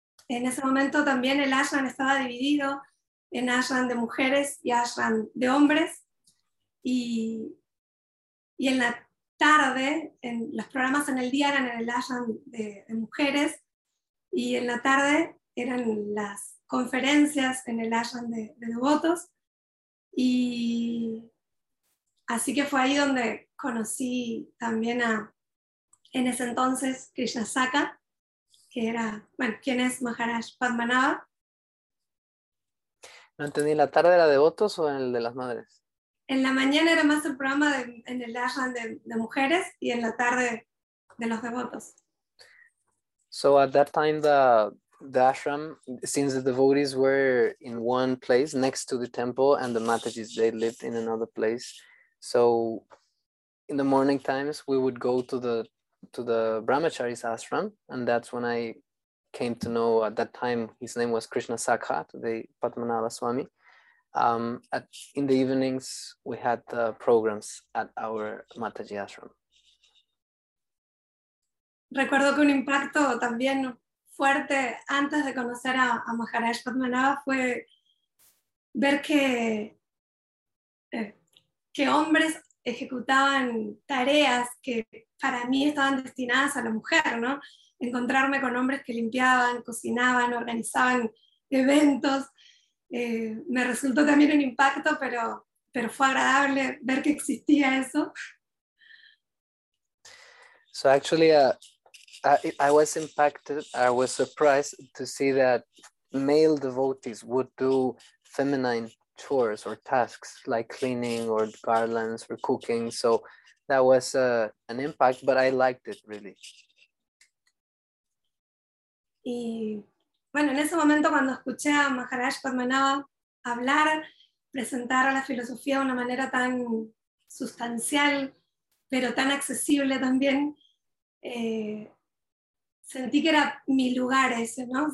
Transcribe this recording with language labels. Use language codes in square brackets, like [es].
[es] En ese momento también el ashram estaba dividido en ashram de mujeres y ashram de hombres. Y en la tarde, los programas en el día eran en el ashram de mujeres, y en la tarde eran conferencias en el ashram de devotos. Y así que fue ahí donde conocí también a, en ese entonces, Krishnasaka, que era, bueno, ¿quién es Maharaj Padmanabha? No entendí, ¿la tarde era devotos o el de las madres? En la mañana era más el programa de, en el ashram de mujeres y en la tarde de los devotos. [en] So at that time the ashram, since the devotees were in one place next to the temple and the Matajis, they lived in another place. So in the morning times we would go to the Brahmacharis ashram, and that's when I came to know, at that time his name was Krishnasaka, the Padmanabha Swami. In the evenings we had the programs at our Mataji ashram. [es] Recuerdo que un impacto también fuerte antes de conocer a Maharaj Padmanabha fue ver que hombres ejecutaban tareas que para mí estaban destinadas a la mujer, ¿no? Encontrarme con hombres que limpiaban, cocinaban, organizaban eventos, me resultó también un impacto, pero fue agradable ver que existía eso. [en] So actually, I was impacted, I was surprised to see that male devotees would do feminine chores or tasks like cleaning or garlands or cooking. So that was an impact, but I liked it really. [es] Y bueno, en ese momento cuando escuché a Maharaj Padmanabha hablar, presentar a la filosofía de una manera tan sustancial, pero tan accesible también, sentí que era mi lugar ese, ¿no?